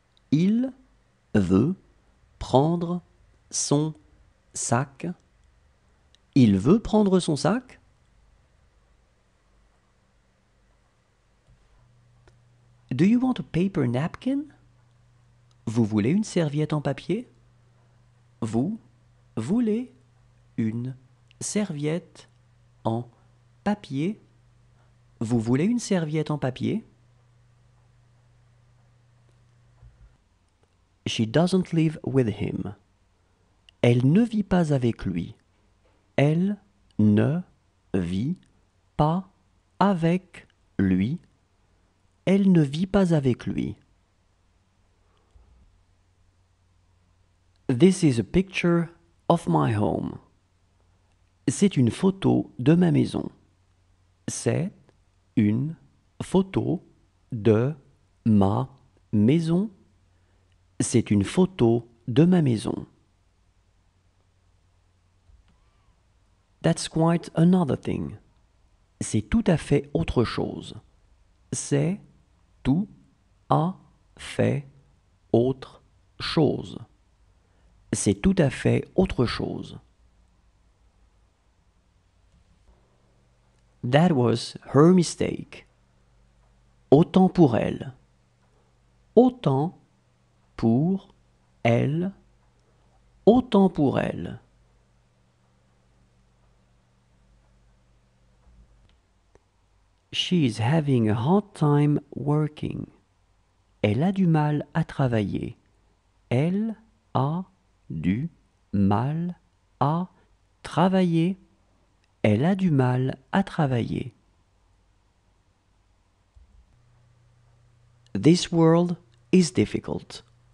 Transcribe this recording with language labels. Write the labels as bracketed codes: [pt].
[fr] Il veut prendre son sac? Il veut prendre son sac? [en] Do you want a paper napkin? [fr] Vous voulez une serviette en papier? Vous voulez une serviette en papier? Vous voulez une serviette en papier? [en] She doesn't live with him. [fr] Elle ne vit pas avec lui. Elle ne vit pas avec lui. Elle ne vit pas avec lui. [en] This is a picture of my home. [fr] C'est une photo de ma maison. C'est une photo de ma maison. C'est une photo de ma maison. [en] That's quite another thing. [fr] C'est tout à fait autre chose. C'est tout à fait autre chose. C'est tout à fait autre chose. [en] That was her mistake. [fr] Autant pour elle. Autant pour elle. Autant pour elle. [en] She is having a hard time working. [fr] Elle a du mal à travailler. Elle a du mal à travailler. Elle a du mal à travailler. [en] This world is difficult.